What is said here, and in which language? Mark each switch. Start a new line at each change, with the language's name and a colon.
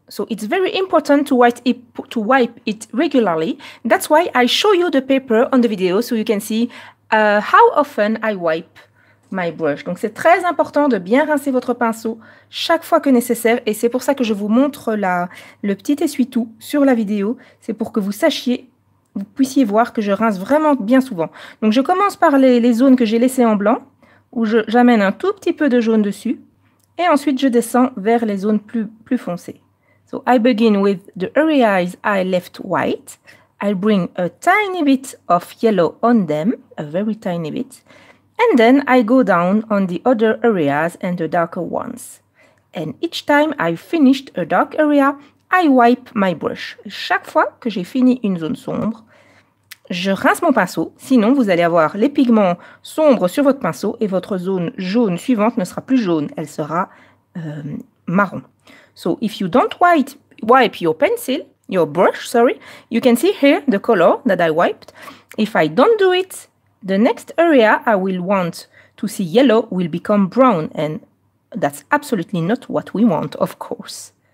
English: So it's very important to wipe it regularly. That's why I show you the paper on the video so you can see how often I wipe my brush.
French: Donc c'est très important de bien rincer votre pinceau chaque fois que nécessaire, et c'est pour ça que je vous montre le petit essuie-tout sur la vidéo. C'est pour que vous puissiez voir que je rince vraiment bien souvent. Donc je commence par les zones que j'ai laissées en blanc, où j'amène un tout petit peu de jaune dessus, et ensuite je descends vers les zones plus foncées.
English: So I begin with the areas I left white. I bring a tiny bit of yellow on them, a very tiny bit. And then I go down on the other areas and the darker ones. And each time I finished a dark area, I wipe my brush.
French: Chaque fois que j'ai fini une zone sombre, je rince mon pinceau. Sinon, vous allez avoir les pigments sombres sur votre pinceau et votre zone jaune suivante ne sera plus jaune. Elle sera marron.
English: So if you don't wipe your pencil, your brush, sorry, you can see here the color that I wiped. If I don't do it, the next area I will want to see yellow will become brown, and that's absolutely not what we want, of course.